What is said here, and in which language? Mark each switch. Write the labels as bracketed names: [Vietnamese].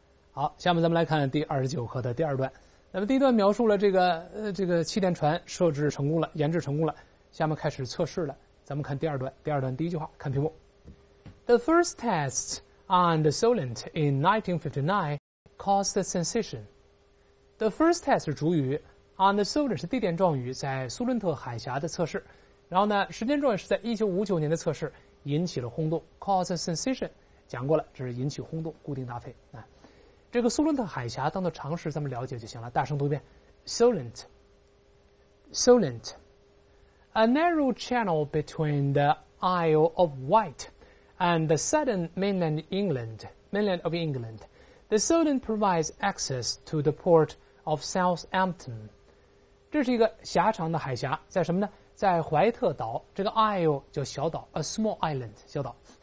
[Chinese] 好，下面咱们来看第29课的第二段。那么第一段描述了这个气垫船设置成功了，研制成功了，下面开始测试了。咱们看第二段，第二段第一句话，看屏幕。 [English] The first test on the Solent in 1959 caused a sensation. The first test [Chinese] 是主语 ， [English] on the Solent [Chinese] 是地点状语，在苏伦特海峡的测试。然后呢，时间状语是在1959年的测试，引起了轰动 ， [English] caused a sensation。 [Chinese] 讲过了，这是引起轰动，固定搭配啊。这个苏伦特海峡当做常识咱们了解就行了，大声读一遍 [English] Solent Solent A narrow channel between the Isle of Wight and the southern mainland of England The Solent provides access to the port of Southampton [Chinese] 这是一个狭长的海峡在什么呢在怀特岛这个 Isle 叫小岛 [English] A small island [Chinese] 小岛